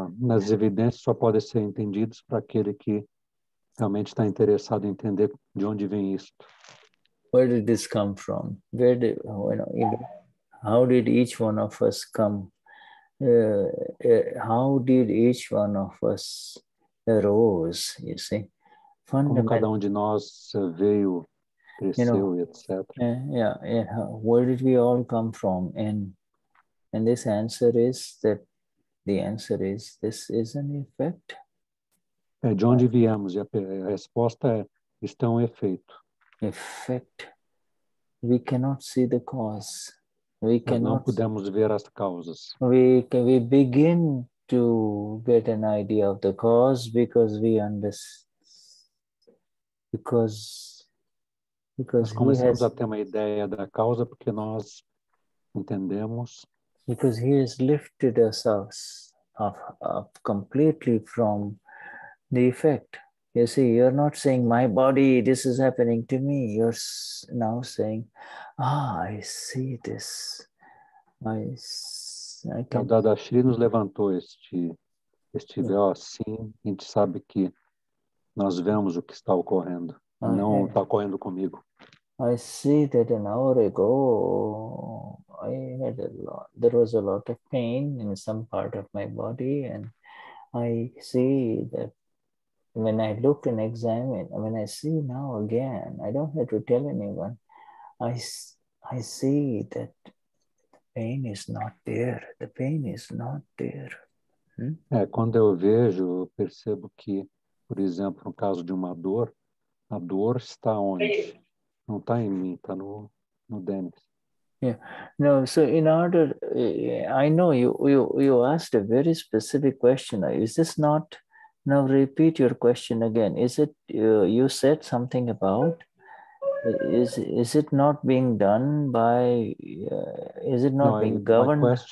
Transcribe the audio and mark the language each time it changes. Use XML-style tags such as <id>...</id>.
<pt>as evidências só podem ser entendidas para aquele que realmente está interessado em entender de onde vem isto.</pt> <en>Where did this come from? Where did, you know, how did each one of us come? How did each one of us arose? You see.</en> <pt>Como cada de nós veio, cresceu,</pt> <en>you know,</en> <pt>etc.</pt> <en>Where did we all come from? And this answer is that the answer is this is an effect.</en> <pt>É de onde viemos? E a resposta é isto é efeito.</pt> <en>Effect. We cannot see the cause.</en> <pt>Não podemos ver as causas.</pt> <en>We begin to get an idea of the cause because we understand. Because</en> <pt>nós começamos a ter uma ideia da causa porque nós entendemos.</pt> <en>Because he has lifted us up completely from the effect. You see, you're not saying, my body, this is happening to me. You're now saying, ah, I see this.</en> <pt>Então, Dadashri nos levantou este véu assim, a gente sabe que nós vemos o que está ocorrendo, okay. Não está ocorrendo comigo.</pt> <en>I see that an hour ago, I had a lot, there was a lot of pain in some part of my body, and I see that when I look and examine, when I see now again, I don't have to tell anyone, I see that pain is not there. The pain is not there. Hmm?</en> <pt>Quando eu vejo, eu percebo que, por exemplo, no caso de uma dor, a dor está onde? Não está em mim, está no Dennis.</pt> <en>Yeah. No, so in order, I know you asked a very specific question. Is this not, now repeat your question again. Is it, you said something about, is it not being done by, is it not being governed?</en>